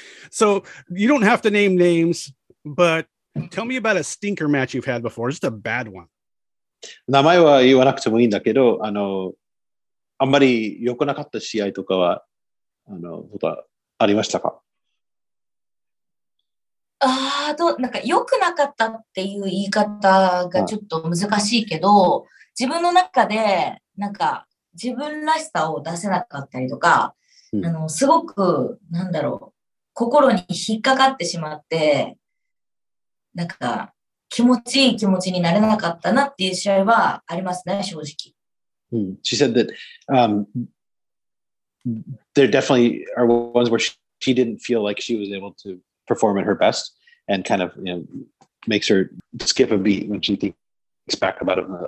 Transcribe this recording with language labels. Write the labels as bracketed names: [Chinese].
[English] So you don't have to name names, but tell me about a stinker match you've had before. Just a bad one. [Japanese] 名前は言わなくてもいいんだけど、あんまり良くなかった試合とかは、ことはありましたか？ああ、なんか良くなかったっていう言い方がちょっと難しいけど、自分の中で、なんか、自分らしさを出せなかったりとか、うん、すごく、なんだろう、心に引っかかってしまって、なんか、気持ちいい気持ちになれなかったなっていう試合はありますね、正直。うん。 [English] She said that, there definitely are ones where she didn't feel like she was able to perform at her best and kind of, you know, makes her skip a beat when she thinks back about it.